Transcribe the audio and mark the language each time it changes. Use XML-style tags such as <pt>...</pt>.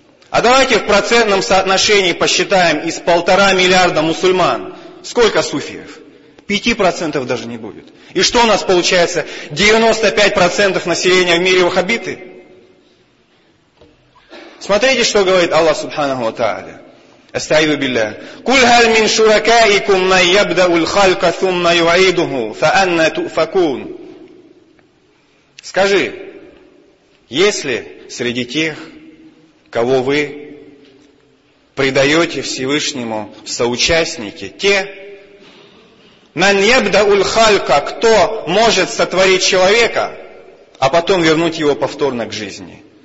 <ru>А давайте в процентном соотношении посчитаем из 1,5 миллиарда мусульман. Сколько суфиев? 5% даже не будет. И что у нас получается? 95% населения в мире ваххабиты? Смотрите, что говорит Аллах Субханаху Та'аля.</ru> <ar>أستعيذ بالله قل هل من شركائكم من يبدأ الخلق ثم يعيده فأنا تؤفكون.</ar> <ru>Скажи, есть ли среди тех, кого вы предаете Всевышнему в соучастники, те, من يبدأ الخلق, кто может сотворить человека, а потом вернуть его повторно к жизни?</ru>